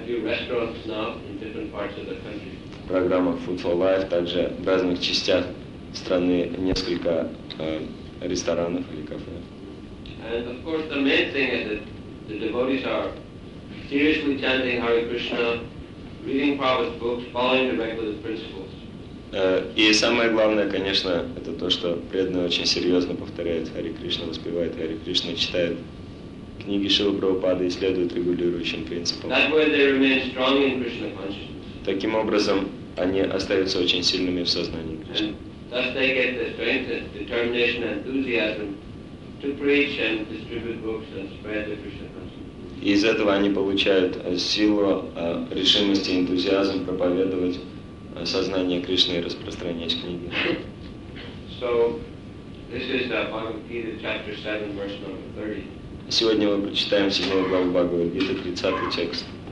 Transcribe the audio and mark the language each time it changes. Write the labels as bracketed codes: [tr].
[ru] В программах Food for Life также в разных частях страны несколько ресторанов или кафе. [en] And of course the main thing is that the devotees are seriously chanting Hare Krishna, reading Prabhupada's books, following the regular principles. [ru] И самое главное, конечно, это то, что преданные очень серьезно повторяют Хари Кришна, воспевают Хари Кришна, читают книги Шрилы Прабхупады и следуют регулирующим принципам. [en] That way they remain strong in Krishna consciousness. [ru] Таким образом, они остаются очень сильными в сознании Кришны. [en] And thus they get the strength, the determination, and enthusiasm to preach and distribute books and spread the Krishna consciousness. [ru] И из этого они получают силу, решимость и энтузиазм проповедовать сознание Кришны и распространять книги. [en] So, this is Bhagavad Gita, chapter 7, verse number 30. [ru] Сегодня мы прочитаем 7 главу Бхагавад Гиты, 30 текст.